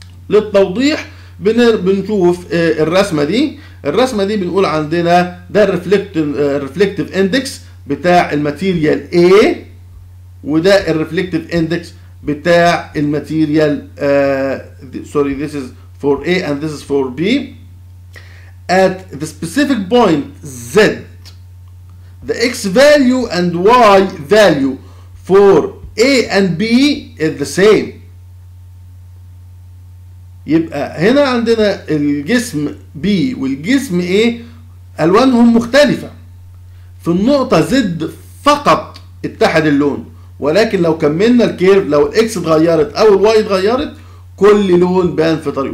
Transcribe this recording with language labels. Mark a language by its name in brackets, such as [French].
[Arabic] للتوضيح بنشوف الرسمه دي، الرسمه دي بنقول عندنا ده الريفلكتيف اندكس بتاع الماتيريال A، وده الريفلكتيف اندكس بتاع الماتيريال [English] Sorry this is for A and this is for B. At the specific point Z the X value and Y value for A and B is the same. [Arabic] يبقى هنا عندنا الجسم B والجسم A ألوانهم مختلفة، في النقطة Z فقط اتحد اللون، ولكن لو كملنا الكيرف لو X اتغيرت أو Y اتغيرت كل لون بان في طريقه.